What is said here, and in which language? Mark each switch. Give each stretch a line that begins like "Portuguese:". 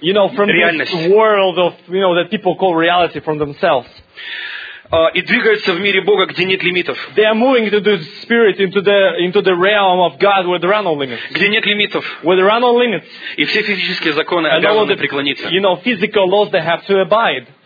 English: You know, from this world of, you know, that people call reality from themselves.
Russian: И двигаются в мире Бога, где нет лимитов.
English: They are moving into the spirit, into the realm of God where there are no limits.
Russian: Где нет лимитов.
English: Where there are no limits.
Russian: И все физические законы обязаны преклониться.
English: You know, physical laws they have to abide.